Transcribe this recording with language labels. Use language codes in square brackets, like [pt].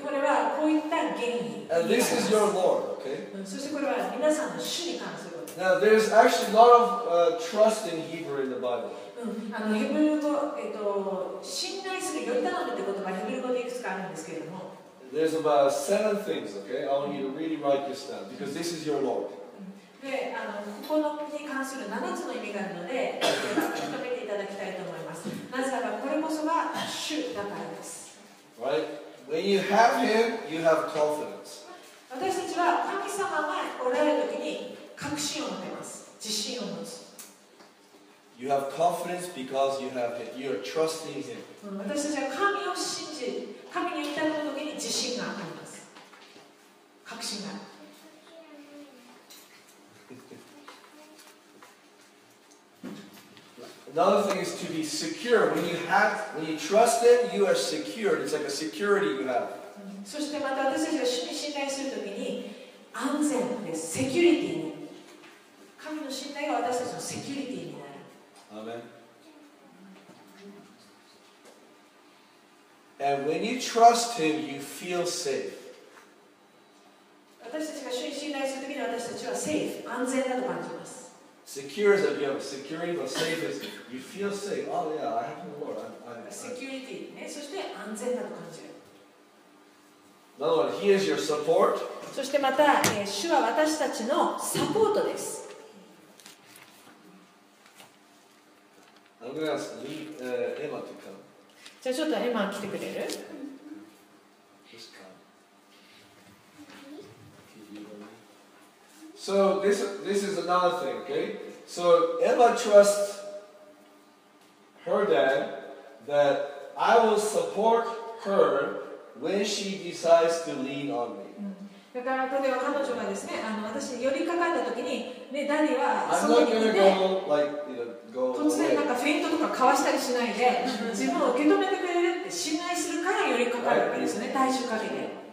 [ja] これはこういった原因。 [en] And this is your Lord, okay? [ja] そしてこれは皆さんの主に関すること。 [en] Now there's actually a lot of trust in Hebrew in the Bible. [ja] あのヘブル語信頼するより頼むって言葉はヘブル語でいくつかあるんですけれども。 [en] There's about 7 things, okay? I want you to really write this down because this is your Lord. [ja] で、あのここのに関する7つの意味があるので、ちょっと見ていただきたいと思います。なぜならこれこそが主だからです。 [en] Right? When you have him, you have confidence. [ja] 私たちは神様がおられるときに確信を持てます。自信を持つ。 [en] You have confidence because you have him. You are trusting him. [ja] 私たちは神を信じ、神に委ねるときに自信があります。確拍手が。 [en] Another thing is to be secure. When you have, when you trust it, you are secured. It's like a security you have. [ja] そしてまた私たちが主に信頼するときに安全でセキュリティに、神の信頼が私たちのセキュリティになる。アーメン。 [en] And when you trust him, you feel safe. [ja] 私たちが主に信頼するときに私たちは safe、安全だと感じます。 [en] Secure is a, you know, security, but safe is, you feel safe. Oh yeah, I have the Lord. [ja] Security, ね、そして安全だと感じる。 [en] In other words, he is your support. [ja] そしてまた、主は私たちのサポートです。 [en] I'm going to ask Emma to come. [ja] じゃあちょっとエマ来てくれる？ [en] Just come. So this is another thing, okay? So Emma trusts her dad that I will support her. When she decides to lean on me. [ja] だから例えば彼女がですね、私に寄りかかったときに、ね、ダディはその辺で、 like, you know, 突然なんかフェイントとか交わしたりしないで、自分を受け止めてくれるって信頼するから寄りかかるわけですね、対象限りで。